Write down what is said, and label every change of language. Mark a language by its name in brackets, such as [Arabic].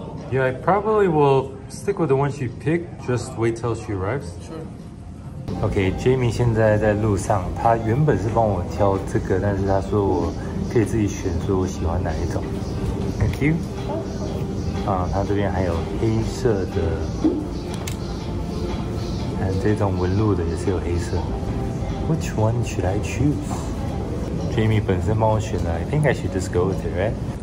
[English] Yeah, I probably will stick with the one she picked. Just wait till she arrives. Sure. [Chinese] Okay, Jamie 现在在路上。他原本是帮我挑这个，但是他说我可以自己选，说我喜欢哪一种。 [English] Thank you. [Chinese] 啊，他这边还有黑色的，还有这种纹路的也是有黑色。 [English] Which one should I choose? Jamie [Chinese] 本身帮我选了， [English] I think I should just go with it, right?